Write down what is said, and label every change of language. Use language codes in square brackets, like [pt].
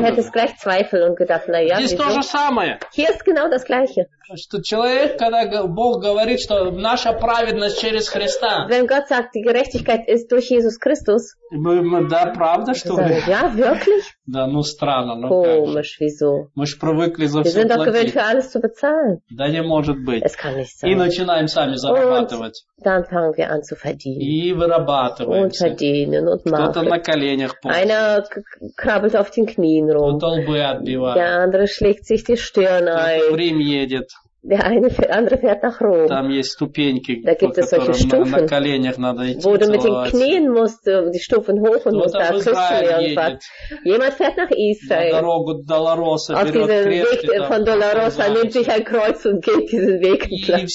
[de] Du hättest gleich Zweifel und gedacht, na ja, [ru] здесь то же самое. [de] Hier ist genau das Gleiche. [ru] Что человек, когда Бог говорит, что наша праведность через Христа. [de] Wenn Gott sagt, die Gerechtigkeit ist durch Jesus Christus. [ru] Мы, да, правда, что ли? [de] Ja, wirklich? [ru] Да, ну странно, ну [de] komisch, [ru] как же. [de] Wieso? [ru] Мы же привыкли за [de] Wir [ru] все [de] sind [ru] платить. [de] Doch gewillt, für alles zu bezahlen. [ru] Да не может быть. [de] Es kann nicht sein. [ru] И начинаем сами зарабатывать. [de] Und dann fangen wir an zu verdienen. [ru] И вырабатываемся. [de] Und verdienen und machen. [ru] Кто-то на коленях ползет. [de] Einer krabbelt auf den Knien rum. [ru] Кто-то лбы отбивает. [de] Der andere schlägt sich die Stirn ein. [ru] Кто-то в Рим едет. Там есть ступеньки, по которым на коленях надо идти целоваться. Кто-то в Израиль едет. На дорогу Долороса берет крест и там поднимается.